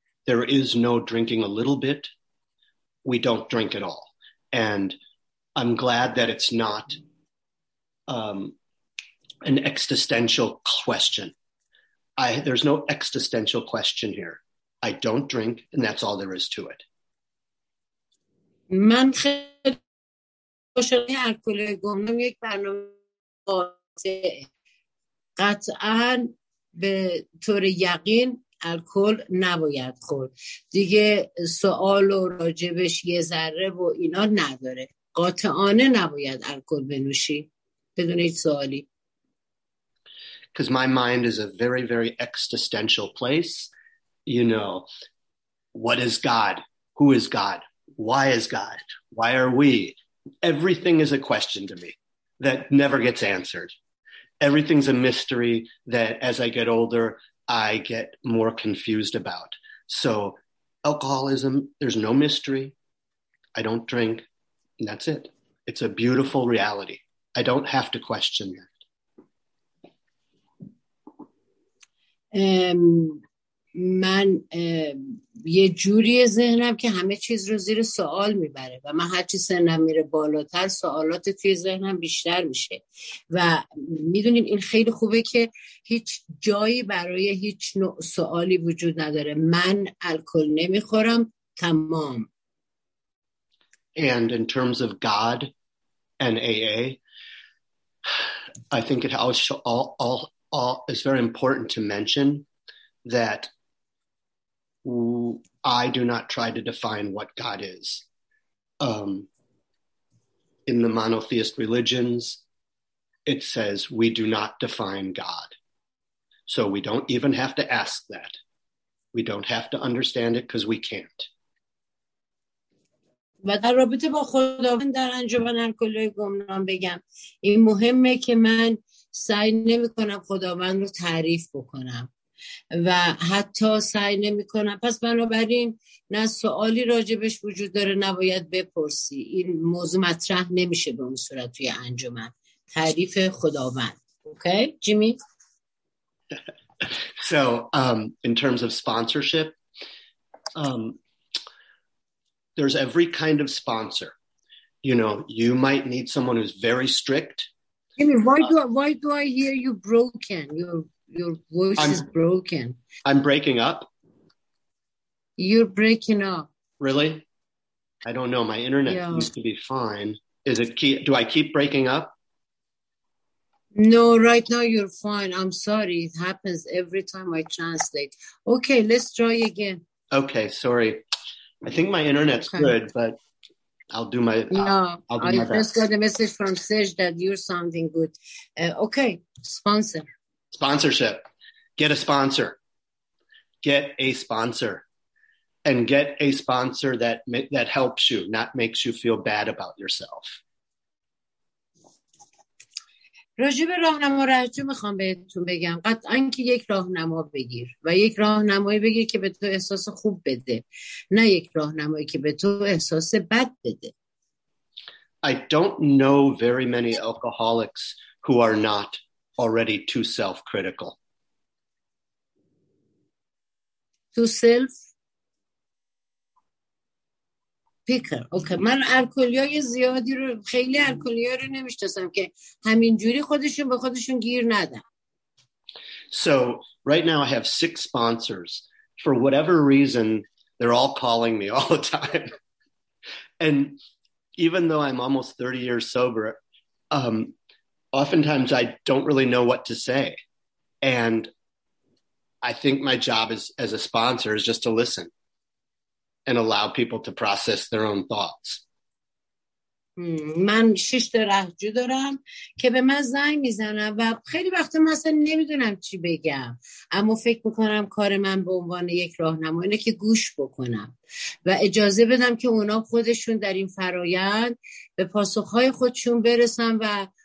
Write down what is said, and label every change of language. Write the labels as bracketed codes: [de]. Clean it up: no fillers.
[en] There is no drinking a little bit. We don't drink at all. And I'm glad that it's not an existential question. There's no existential question here. I don't drink, and that's all there is to it. [fa] من خیلی خوشحالم که الکلی گمنام یک برنامه قاطعه. قطعا به طور یقین الکل نباید خورد. دیگه سوال و راجبش یه ذره و اینا نداره. قاطعانه نباید الکل بنوشی. بدون هیچ سوالی. [en] Because my mind is a very, very existential place. You know, what is God? Who is God? Why is God? Why are we? Everything is a question to me that never gets answered. Everything's a mystery that as I get older, I get more confused about. So alcoholism, there's no mystery. I don't drink. And that's it. It's a beautiful reality. I don't have to question that. [fa] من یه جوری ذهنم که همه چیز رو زیر سوال میبره و من هرچی سنم میره بالاتر سوالات توی ذهنم بیشتر میشه و میدونین این خیلی خوبه که هیچ جایی برای هیچ نوع سوالی وجود نداره. من الکل نمیخورم، تمام. [en] And in terms of God and AA, I think it also all is very important to mention that I do not try to define what God is. In the monotheist religions, it says we do not define God. So we don't even have to ask that. We don't have to understand it because we can't. [fa] و در رابطه با خداوند در انجمن الکلی گمنام بگم این مهمه که من سعی نمی کنم خداوند رو تعریف بکنم و حتی سعی نمی کنم. پس بنابراین نه سوالی راجبش وجود داره، نباید بپرسی. این موضوع مطرح نمیشه به اون صورت توی انجمن. تعریف خداوند. اوکی جیمی؟ [en] So in terms of sponsorship, there's every kind of sponsor. You know, you might need someone who's very strict. Jimmy, why do I hear you broken? Your voice is broken. I'm breaking up. You're breaking up. Really? I don't know. My internet seems to be fine. Do I keep breaking up? No, right now you're fine. I'm sorry. It happens every time I translate. Okay, let's try again. Okay, sorry. I think my internet's good, but I'll do my best. I just got a message from Serge that you're sounding good. Okay, sponsor. Sponsorship. Get a sponsor. Get a sponsor. And get a sponsor that helps you, not makes you feel bad about yourself. [fa] راجب راهنما رهجو میخوام بهتون بگم قطعا که یک راهنما بگیر و یک راهنمایی بگیر که به تو احساس خوب بده، نه یک راهنمایی که به تو احساس بد بده. [en] I don't know very many alcoholics who are not already too self-critical. Too self? Okay. [fa] من الکلیای زیادی رو خیلی الکلیای رو نمیشناسم که همینجوری خودشون به خودشون گیر ندن. [en] So right now I have 6 sponsors. For whatever reason, they're all calling me all the time. And even though I'm almost 30 years sober, oftentimes I don't really know what to say. And I think my job as a sponsor is just to listen. And allow people to process their own thoughts. [fa] من 6 تا رهجو دارم که به من زنگ میزنن و خیلی وقتا مثلا نمیدونم چی بگم، اما فکر میکنم کار من به عنوان یک راهنما اینه که گوش بکنم و اجازه بدم که اونا خودشون در این فرایند به پاسخهای خودشون برسن و